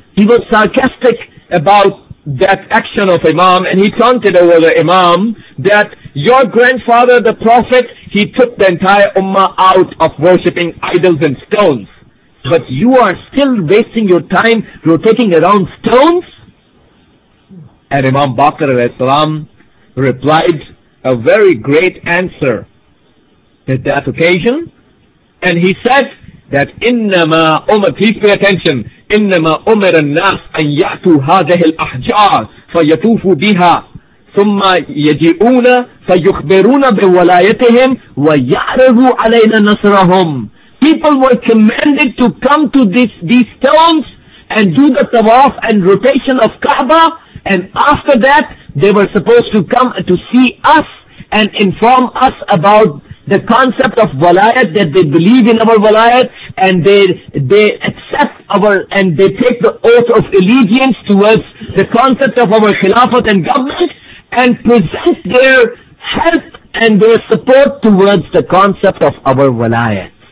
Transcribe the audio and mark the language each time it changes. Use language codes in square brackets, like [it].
[en] He was sarcastic about that action of Imam, and he taunted over the Imam that your grandfather, the Prophet, he took the entire Ummah out of worshipping idols and stones. But you are still wasting your time rotating around stones? And Imam Baqir al-Islam replied a very great answer at that occasion. And he said that, [ar] إِنَّمَا أُمِرَ, [en] please pay attention, [ar] إِنَّمَا أُمِرَ النَّاسَ أَنْ يَأْتُوا هَذِهِ الْأَحْجَارِ فَيَتُوفُوا بِهَا ثُمَّ يَجِئُونَ فَيُخْبِرُونَ بِوَلَايَتِهِمْ وَيَعْرَضُوا عَلَيْنَا نَصْرَهُمْ. [en] People were commanded to come to these stones and do the tawaf and rotation of Kaaba. And after that, they were supposed to come to see us and inform us about the concept of walayat, that they believe in our walayat, and they accept our, and they take the oath of allegiance towards the concept of our khilafat and government, and present their help and their support towards the concept of our walayat.